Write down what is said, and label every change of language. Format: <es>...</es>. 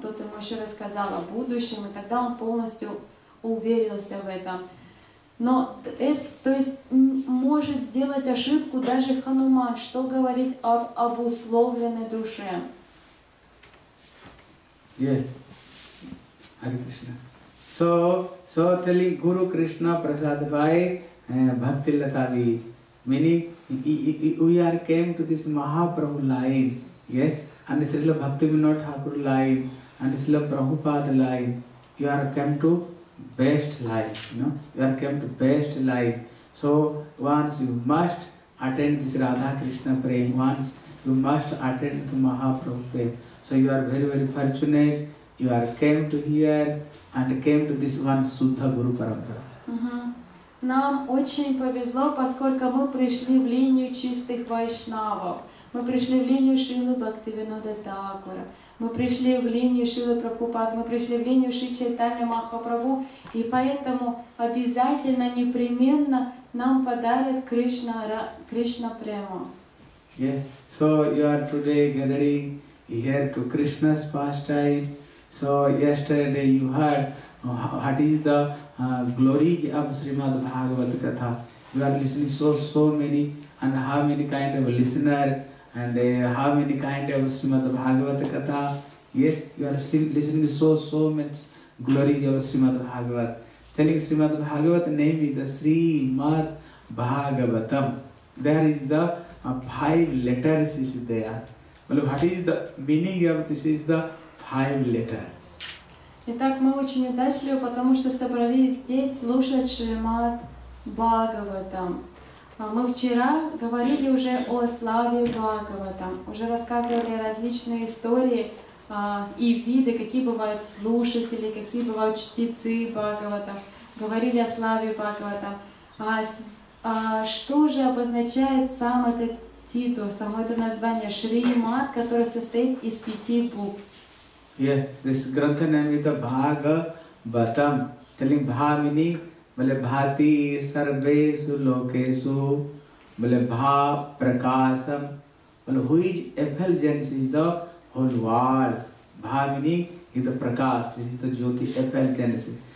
<ru>Тот ему еще рассказал о будущем, и тогда он полностью уверился в этом. Но это, то есть, может сделать ошибку даже Хануман, что говорит об обусловленной душе.</ru> <en>Yes, Hare Krishna. So telling</en> <bn>Guru Krishna Prasad Bhai Bhakti Lata Beach,</bn> <en>meaning we are came to this Mahaprabhu line, yes, and this is the Bhakti Vinod Thakur line, and this is the Prabhupada line. You are came to best life, you know, you are came to best life. So once you must attend this Radha Krishna praying, once you must attend to Mahaprabhu. So you are very, very fortunate. You are came to here and came to this one Shuddha Guru Parampara.</en> <ru>Нам очень повезло, поскольку мы пришли в линию чистых вайшнавов. Мы пришли в линию Шрилы Бхактивинода Тхакура. Мы пришли в линию Шрилы Прабхупады. Мы пришли в линию Шри Чайтанья Махапрабху. И поэтому обязательно, непременно нам подарят Кришна Прему.</ru> <en>Yeah. So you are today gathering here to Krishna's pastime. So yesterday you heard what is the glory of Srimad Bhagavad Katha. You are listening so many, and how many kind of listener, and how many kind of Srimad Bhagavad Katha. Yes, you are still listening so much glory of Srimad Bhagavad. Telling Srimad Bhagavad name is the Srimad Bhagavatam. There is the five letters is there. Well, what is the meaning of this is the five letter.</en> <ru>Итак, мы очень удачливы, потому что собрались здесь слушать Шримад Бхагаватам. Мы вчера говорили уже о славе Бхагаватам, уже рассказывали различные истории и виды, какие бывают слушатели, какие бывают чтецы Бхагаватам, говорили о славе Бхагаватам. А что же обозначает сам этот титул, само это название Шримад, которое состоит из пяти букв?</ru> <en>Yeah, this grantha name is the Bhagavatam. Telling</en> <sa>Bhavini, Mala Bhati Sarvesu Lokesu, Mala Bhav Prakasam,</sa> <en>Mala who is effulgence is the whole world. Bhavini is the Prakas, this is the Jyoti effulgence.</en>